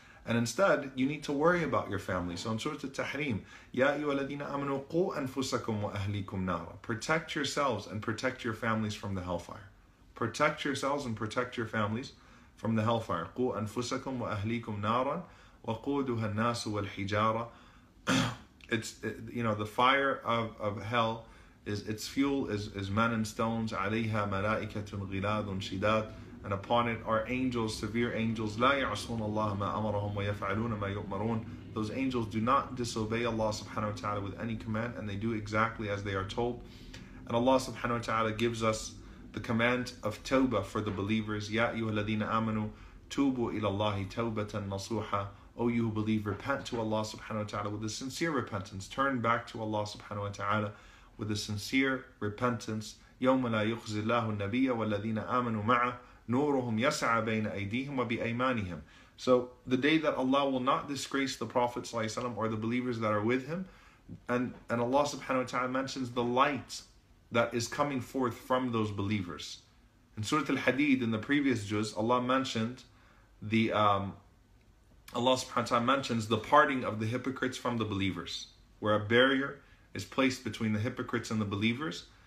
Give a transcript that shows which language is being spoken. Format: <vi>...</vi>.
<en>And instead, you need to worry about your family. So in Surah At-Tahrim,</en> <ar>يَا أَيُّهَا الَّذِينَ آمَنُوا قُوا أَنفُسَكُمْ وَأَهْلِيكُمْ نَارًا.</ar> <en>Protect yourselves and protect your families from the hellfire. Protect yourselves and protect your families from the hellfire.</en> <ar>قُوا أَنفُسَكُمْ وَأَهْلِيكُمْ نَارًا وَقُودُهَا النَّاسُ وَالْحِجَارَةُ.</ar> <en>The fire of hell, its fuel is men and stones.</en> <ar>عَلَيْهَا مَلَائِكَةٌ غِلَاظٌ شِدَادٌ.</ar> <en>And upon it are angels, severe angels.</en> <ar>لا يعصون الله ما أمرهم ويفعلون ما يؤمرون.</ar> <en>Those angels do not disobey Allah subhanahu wa ta'ala with any command, and they do exactly as they are told. And Allah subhanahu wa ta'ala gives us the command of tawbah for the believers.</en> <ar>يا أيها الذين آمنوا توبوا إلى الله توبة نصوحة.</ar> <en>O you who believe, repent to Allah subhanahu wa ta'ala with a sincere repentance. Turn back to Allah subhanahu wa ta'ala with a sincere repentance.</en> <ar>يوم لا يخزي الله النبي والذين آمنوا معه نورهم يسعى بين أيديهم وبأيمانهم.</ar> <en>So the day that Allah will not disgrace the Prophet ﷺ or the believers that are with him, and Allah subhanahu wa ta'ala mentions the light that is coming forth from those believers. In Surah Al-Hadid, in the previous juz, Allah mentioned Allah subhanahu wa ta'ala mentions the parting of the hypocrites from the believers, where a barrier is placed between the hypocrites and the believers.</en>